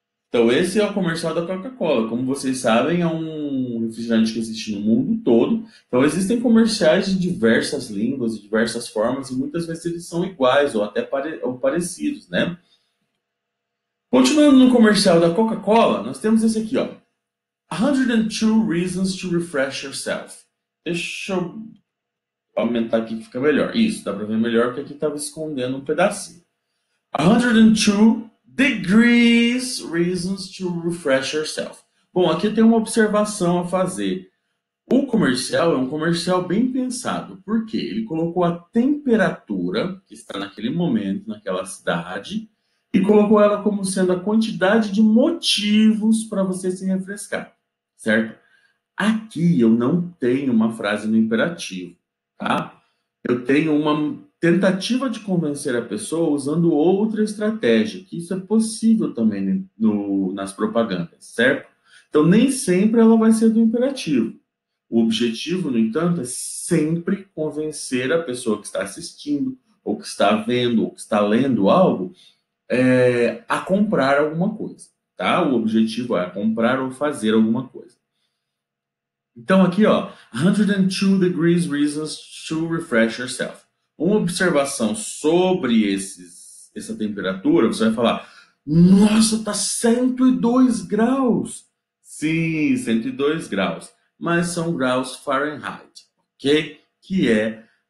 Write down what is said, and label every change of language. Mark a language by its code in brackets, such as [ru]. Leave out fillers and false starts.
[pt] Então, esse é o comercial da Coca-Cola. Como vocês sabem, é um refrigerante que existe no mundo todo. Então, existem comerciais de diversas línguas, de diversas formas, e muitas vezes eles são iguais ou até ou parecidos, né? Continuando no comercial da Coca-Cola, nós temos esse aqui, ó. [en] 102 reasons to refresh yourself. [pt] Deixa eu aumentar aqui que fica melhor. Isso, dá para ver melhor porque aqui estava escondendo um pedacinho. [en] 102 degrees reasons to refresh yourself. [pt] Bom, aqui tem uma observação a fazer. O comercial é um comercial bem pensado. Por quê? Ele colocou a temperatura que está naquele momento, naquela cidade, e colocou ela como sendo a quantidade de motivos para você se refrescar, certo? Aqui eu não tenho uma frase no imperativo, tá? Eu tenho uma tentativa de convencer a pessoa usando outra estratégia, que isso é possível também no, nas propagandas, certo? Então, nem sempre ela vai ser do imperativo. O objetivo, no entanto, é sempre convencer a pessoa que está assistindo, ou que está vendo, ou que está lendo algo, a comprar alguma coisa, tá? O objetivo é comprar ou fazer alguma coisa. [en] Então, aqui, ó, 102 degrees reasons to refresh yourself. [pt] Uma observação sobre essa temperatura, você vai falar: Nossa, tá 102 graus! Sim, 102 graus, mas são graus Fahrenheit, ok? Que é